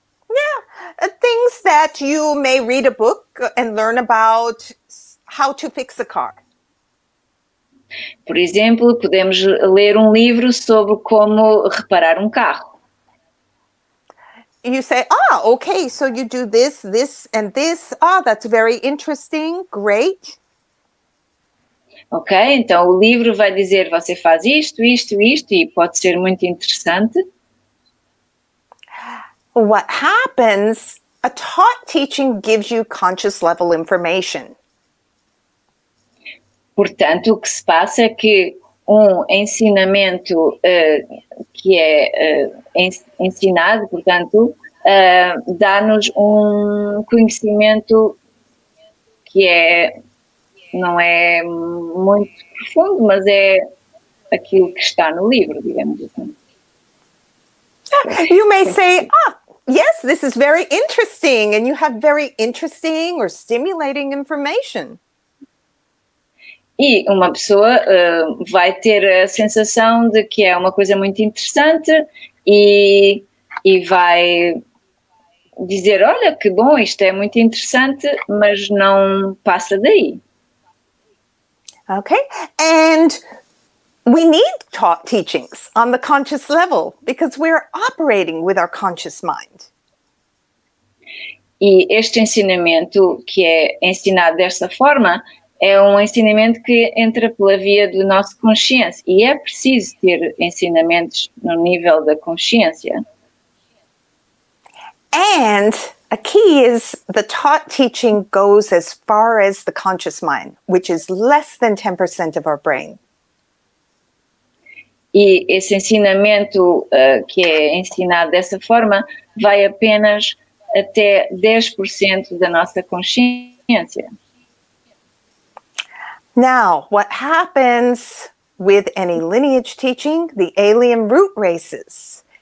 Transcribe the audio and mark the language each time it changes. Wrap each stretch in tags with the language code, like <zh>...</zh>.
<en>Yeah, things that you may read a book and learn about how to fix a car.</en> <pt>Por exemplo, podemos ler um livro sobre como reparar um carro.</pt> <en>You say, ah, okay, so you do this, this and this. Ah, that's very interesting, great.</en> <pt>Ok, então o livro vai dizer, você faz isto, isto, isto, e pode ser muito interessante.</pt> <en>What happens, a taught teaching gives you conscious level information.</en> <pt>Portanto, o que se passa é que um ensinamento que é ensinado, portanto, dá-nos um conhecimento que é... Não é muito profundo, mas é aquilo que está no livro, digamos assim.</pt> <en>You may say, ah, yes, this is very interesting, and you have very interesting or stimulating information.</en> <pt>E uma pessoa vai ter a sensação de que é uma coisa muito interessante e vai dizer, olha, que bom, isto é muito interessante, mas não passa daí.</pt> <en>Okay, and we need taught teachings on the conscious level because we're operating with our conscious mind.</en> <pt>E este ensinamento que é ensinado desta forma é um ensinamento que entra pela via do nosso consciência e é preciso ter ensinamentos no nível da consciência.</pt> <en>And a key is the taught teaching goes as far as the conscious mind, which is less than 10% of our brain.</en> <pt>E esse ensinamento que é ensinado dessa forma vai apenas até 10% da nossa consciência.</pt> <en>Now, what happens with any lineage teaching, the alien root races?</en>